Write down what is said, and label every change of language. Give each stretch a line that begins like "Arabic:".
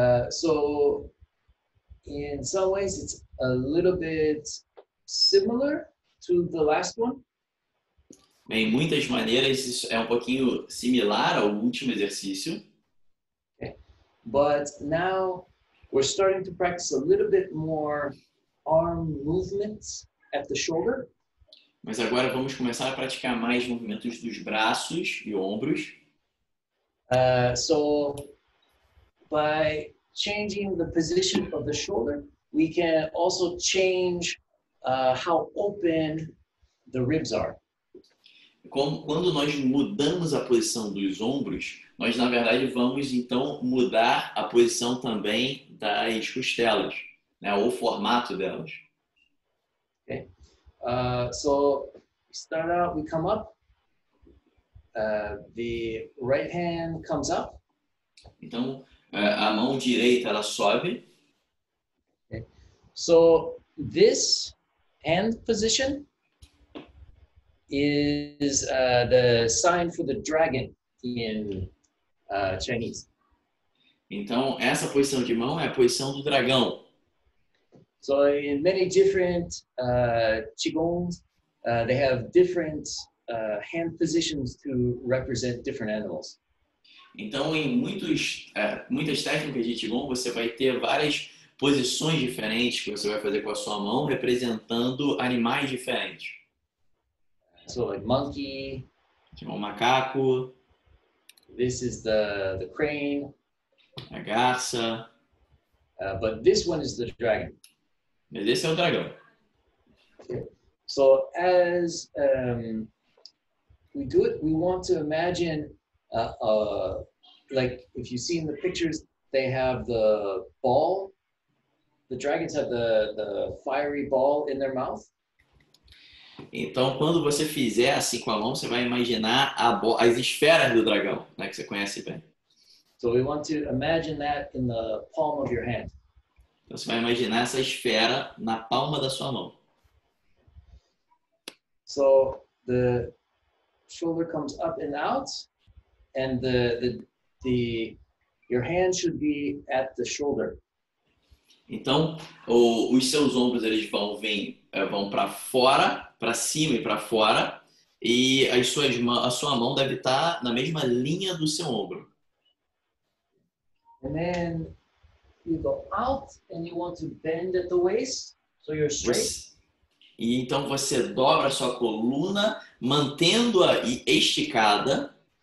English: So, in some ways, it's a little bit similar to the last one.
Portuguese: Em muitas maneiras, isso é um pouquinho similar ao último exercício.
English: Okay. But now, we're starting to practice a little bit more arm movements at the shoulder.
Portuguese: Mas agora vamos começar a praticar mais movimentos dos braços e ombros.
English: So, by changing the position of the shoulder, we can also change how open the ribs are.
Portuguese: Quando nós mudamos a posição dos ombros, nós na verdade vamos então mudar a posição também das costelas, né, o formato delas.
English: Okay. So start out, we come up. The right hand comes up.
Portuguese: Então a mão direita ela sobe.
English: Okay. So this hand position is the sign for the dragon in Chinese.
Portuguese: Então essa posição de mão é a posição do dragão.
English: So in many different qigongs, they have different hand positions to represent different animals.
Portuguese: Então, em muitas técnicas de Qigong, você vai ter várias posições diferentes que você vai fazer com a sua mão, representando animais diferentes.
English: So, like monkey.
Portuguese: Tipo um macaco.
English: This is the crane.
Portuguese: A garça.
English: But this one is the dragon.
Portuguese: Mas esse é o dragão.
English: So, as we do it, we want to imagine like if you see in the pictures, they have the ball. The dragons have the fiery ball in their mouth.
Portuguese: Então, quando você fizer assim com a mão, você vai imaginar as esferas do dragão, né, que você conhece bem.
English: So we want to imagine that in the palm of your hand.
Portuguese: Então, você vai imaginar essa esfera na palma da sua mão.
English: So the shoulder comes up and out, and the your hand should be at the shoulder.
Portuguese: Então, os seus ombros eles vão para fora, para cima e para fora, e a sua mão deve estar na mesma linha do seu ombro.
English: And then you go out and you want to bend at the waist, so you're straight.
Portuguese: E então você dobra a sua coluna, mantendo-a esticada.